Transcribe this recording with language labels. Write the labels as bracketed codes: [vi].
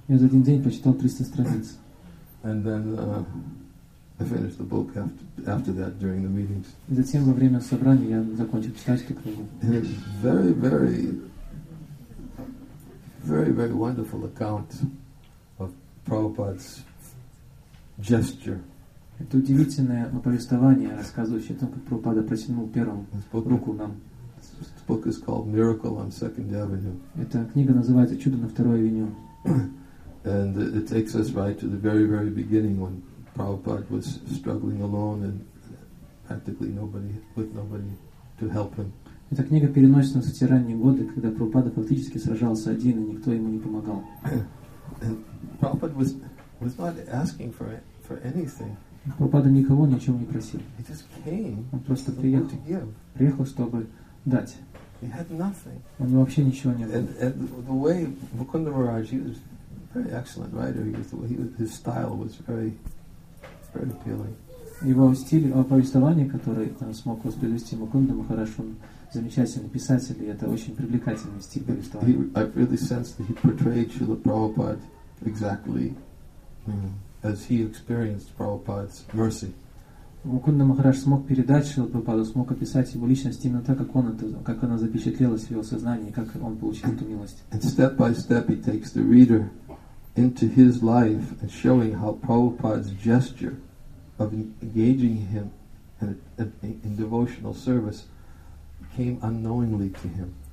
[ru] Я за один день почитал 300 страниц. [en] And then I finished the book after that during the meetings. [ru] И затем во время собрания я закончил читать эту книгу. [en] And it's very, very, very, very wonderful account of Prabhupada's gesture. [ru] Это удивительное повествование, рассказывающее о том, как Прабхупада протянул первым руку нам. [en] This book is called Miracle on Second Avenue. [ru] Эта книга называется «Чудо на Второй Авеню». [en] And it takes us right to the very, very beginning when Prabhupada was struggling alone and practically nobody, with nobody to help him. [ru] Эта книга переносит нас в те ранние годы, когда Прабхупада фактически сражался один, и никто ему не помогал. [en] Prabhupada was not asking for anything. [ru] Прабхупада никого ни о чем не просил. [en] He just came. [ru] Он просто приехал, чтобы дать. [en] He had nothing. [ru] У него вообще ничего не было. [en] And the way Mukunda Maharaj, he was a very excellent writer. His style was very, very appealing. [ru] Его стиль повествования, который смог воспроизвести Мукунда Махарадж, он замечательный писатель, и это очень привлекательный стиль повествования. [en] I really sensed that he portrayed Srila Prabhupada exactly. as he experienced Prabhupada's mercy. [ru] Мукунда Махарадж смог передать Шрила Прабхупаду, смог описать его личность именно так, как он это, как она запечатлелась в его сознании, как он получил эту милость. [en] And step by step he takes the reader into his life and showing how Prabhupada's gesture of engaging him in devotional service came unknowingly to him.